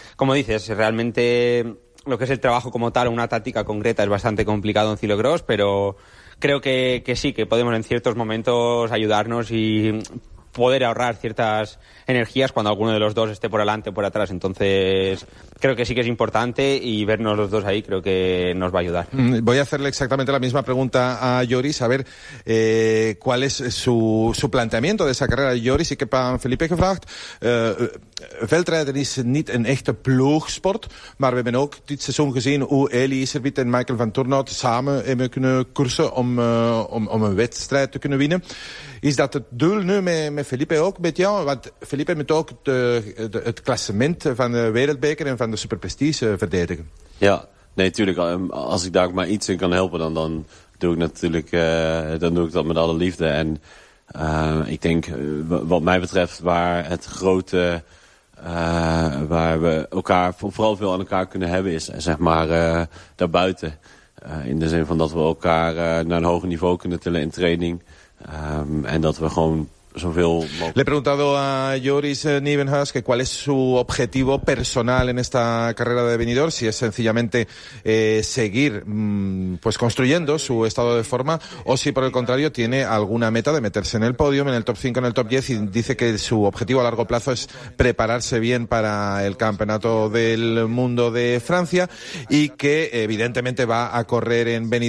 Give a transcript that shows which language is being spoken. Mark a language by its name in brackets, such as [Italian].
[Spanish] Como dices, realmente lo que es el trabajo como tal, una táctica concreta, es bastante complicado en ciclocross, pero creo que sí, que podemos en ciertos momentos ayudarnos y poder ahorrar ciertas energías cuando alguno de los dos esté por delante o por atrás. Entonces, creo que sí que es importante, y vernos los dos ahí creo que nos va a ayudar. Voy a hacerle exactamente la misma pregunta a Joris, a ver cuál es su planteamiento de esa carrera. [Dutch] Joris, ik heb aan Felipe gevraagd. Veldrijden is niet een echte ploegsport, maar we hebben ook dit seizoen gezien hoe Eli Iservit en Michael van Turnhout samen hebben kunnen koersen om een wedstrijd te kunnen winnen. Is dat het doel nu met Felipe ook, met jou? Want Felipe moet ook het klassement van de wereldbeker en van de superprestige verdedigen. Ja, nee, tuurlijk. Als ik daar maar iets in kan helpen, dan doe ik natuurlijk dan doe ik dat met alle liefde. En ik denk, wat mij betreft, waar het grote, waar we elkaar vooral veel aan elkaar kunnen hebben, is zeg maar daarbuiten. In de zin van dat we elkaar naar een hoger niveau kunnen tillen in training. En dat we gewoon zoveel mogelijk. [Spanish] Le he preguntado a Joris Nieuwenhuis que cuál es su objetivo personal en esta carrera de Benidorm, si es sencillamente seguir pues construyendo su estado de forma, o si por el contrario tiene alguna meta de meterse en el podio, en el top 5, en el top 10, y dice que su objetivo a largo plazo es prepararse bien para el campeonato del mundo de Francia, y que evidentemente va a correr en Benidorm al máximo para dar lo mejor que pueda, pero también me ha recordado que el año pasado